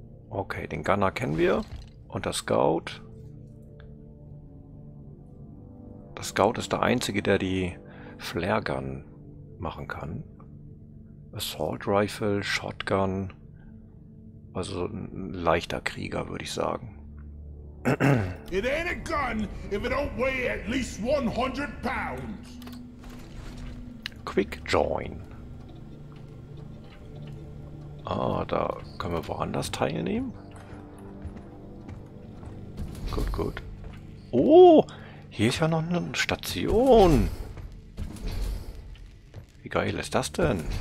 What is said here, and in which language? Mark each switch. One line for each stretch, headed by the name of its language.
German: Okay, den Gunner kennen wir. Und der Scout. Der Scout ist der Einzige, der die Flare Gun machen kann. Assault Rifle, Shotgun. Also ein leichter Krieger, würde ich sagen.
English: It ain't a gun if it don't weigh at least 100 pounds. Quick Join.
German: Ah, da können wir woanders teilnehmen. Gut, gut. Oh, hier ist ja noch eine Station. Wie geil ist das denn?